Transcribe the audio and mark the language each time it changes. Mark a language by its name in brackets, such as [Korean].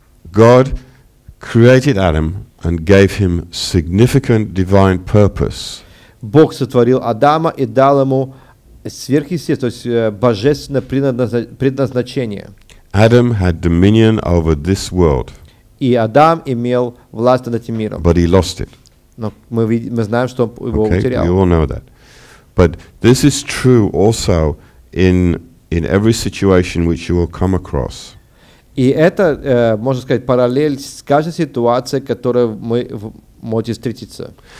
[English] God created Adam and gave him significant divine purpose. [Russian] Бог сотворил Адама и дал ему сверхъестественное, то есть божественное предназначение. [English] Adam had dominion over this world. [Russian] И Адам имел власть над этим миром. [English] But he lost it. [Russian] Но мы знаем, что его утерял. [English] Okay, we all know that. But this is true also in every situation which you will come across. [Russian] И это, можно сказать, параллель с каждой ситуацией, которую мы можем встретиться.